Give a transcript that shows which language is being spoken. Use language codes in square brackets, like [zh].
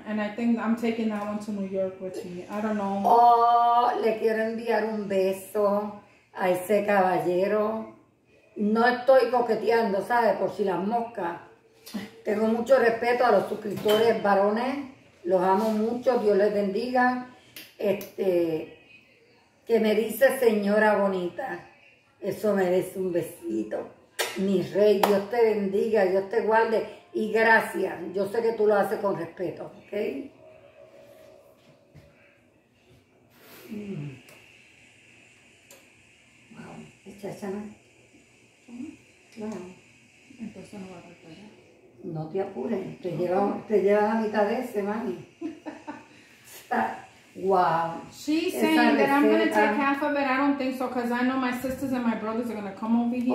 [en] And I think I'm taking that one to New York with me. I don't know. [es] Oh, le quiero enviar un beso a ese caballero. No estoy coqueteando, ¿sabes? Por si las moscas. Tengo mucho respeto a los suscriptores varones. Los amo mucho, Dios les bendiga. Que me dice señora bonita, eso merece un besito. Mi rey, Dios te bendiga, Dios te guarde. Y gracias, yo sé que tú lo haces con respeto, ¿ok? Entonces no va a faltar. No te apures, te llevas la mitad de ese, mami. [en] Wow. She's saying that I'm going to take half of it. I don't think so because I know my sisters and my brothers are going to come over here.